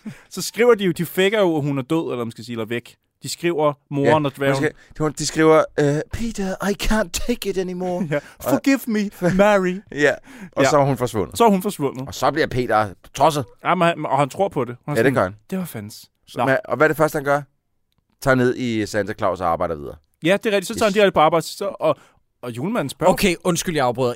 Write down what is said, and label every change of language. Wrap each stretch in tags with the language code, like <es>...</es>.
<da>Så skriver de jo, de faker jo, at hun er død, eller man skal sige, eller væk. De skriver, moren og dværgen. De skriver,</da> <en>Peter, I can't take it anymore. Ja. Forgive me, Mary.</en> <da>Ja, og så er hun forsvundet. Så er hun forsvundet. Og så bliver Peter tosset. Ja, og han tror på det. Ja, det gør han. Det var fans. Men, og hvad er det første, han gør? Tager ned i Santa Claus og arbejder videre. Ja, det er rigtigt. Så tager han direkte på arbejde. Så, og julemanden spørger. Okay, undskyld, jeg afbryder.</da>